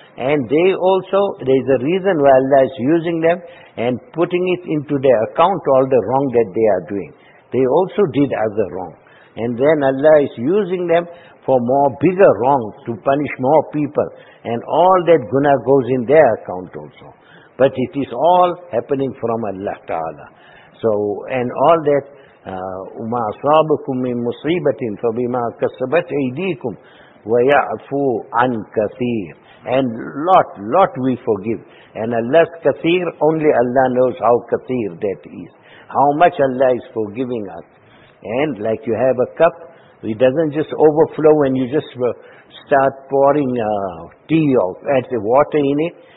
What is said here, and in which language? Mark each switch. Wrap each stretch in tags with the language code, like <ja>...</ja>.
<en>And they also, there is a reason why Allah is using them and putting it into their account, all the wrong that they are doing. They also did other wrong. And then Allah is using them for more bigger wrong, to punish more people. And all that guna goes in their account also. But it is all happening from Allah Ta'ala. So, and all that,</en> <ar>وَمَا أَصَابَكُمْ مِنْ مُصِيبَةٍ فَبِمَا كَسَبَتْ أَيْدِيكُمْ وَيَعْفُو عَنْ كَثِيرٍ.</ar> <en>And lot we forgive. And Allah's kathir, only Allah knows how kathir that is. How much Allah is forgiving us. And like you have a cup, it doesn't just overflow when you just start pouring tea or add the water in it.</en>